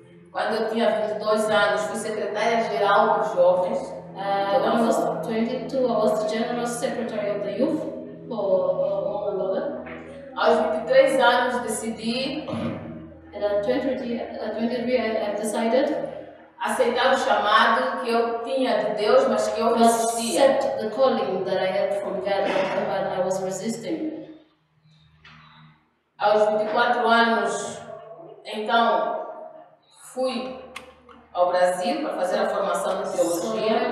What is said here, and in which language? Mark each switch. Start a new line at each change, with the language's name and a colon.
Portuguese: Quando eu tinha 22 anos, fui secretária-geral dos jovens.
English: When I was 22, I was the general secretary of the youth for all Angola.
Portuguese: Aos 23 anos, decidi,
English: and at 23, I decided,
Portuguese: aceitar o chamado que eu tinha de Deus, mas que eu resistia.
English: Accept the calling that I had from God, but I was resisting.
Portuguese: Aos 24 anos, então, fui ao Brasil para fazer a formação de teologia.